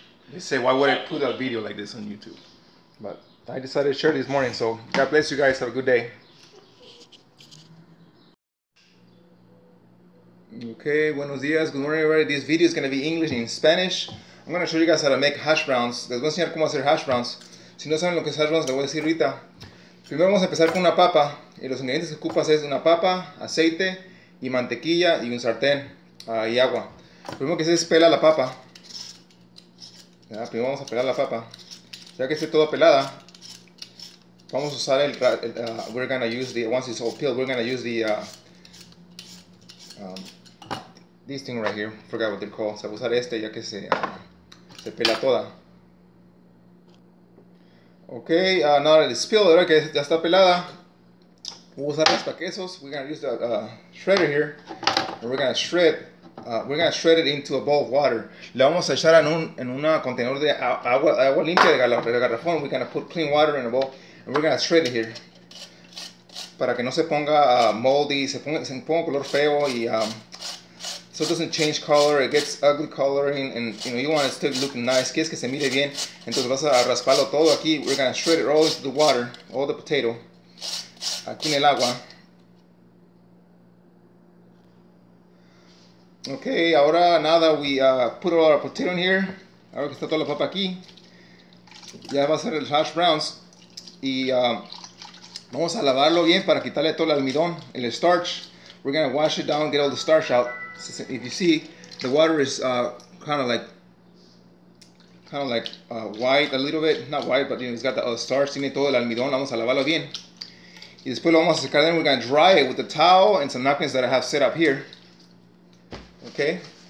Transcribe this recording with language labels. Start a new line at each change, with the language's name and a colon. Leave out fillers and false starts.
English: They say, why would I put a video like this on YouTube? But I decided to share this morning, so God bless you guys. Have a good day. Okay,
Spanish: buenos dias.
English: Good morning, everybody. This video is going to be English and Spanish. I'm going to show you guys how to make hash browns.
Spanish: Les voy a enseñar cómo hacer hash browns. Si no saben lo que es hash browns, les voy a decir ahorita. Primero vamos a empezar con una papa. Y los ingredientes que ocupas es una papa, aceite y mantequilla y un sartén y agua. Lo primero que haces es pelar la papa. Ya, primero vamos a pelar la papa. Ya que esté toda pelada, vamos a usar
English: we're gonna use the, once it's all peeled, we're gonna use the, this thing right here, forgot what they're called.
Spanish: O sea, voy a usar este ya que se pela toda.
English: Ok, now that it's peeled,
Spanish: ahora que ya está pelada, vamos a usar raspa quesos.
English: We're gonna use the shredder here, and we're gonna shred it into a bowl of water.
Spanish: Le vamos a echar en un contenedor de agua limpia de garrafón.
English: We're gonna put clean water in a bowl, and we're gonna shred it here.
Spanish: Para que no se ponga moldy, se ponga color feo,
English: y so it doesn't change color, it gets ugly coloring, and you know, you want it still looking nice.
Spanish: Quieres que se mire bien, entonces vas a rasparlo todo aquí.
English: We're gonna shred it all into the water, all the potato.
Spanish: Aquí en el agua.
English: Okay,
Spanish: ahora nada,
English: we put all our potato in here.
Spanish: Ahora que está toda la papa aquí, ya va a ser el hash browns. Y vamos a lavarlo bien para quitarle todo el almidón, el starch.
English: We're gonna wash it down, get all the starch out. If you see, the water is kind of like white a little bit. Not white, but you know, it's got the starch.
Spanish: Tiene todo el almidón. Vamos a lavarlo bien. Y después lo vamos a secar.
English: Then we're going to dry it with a towel and some napkins that I have set up here. Okay.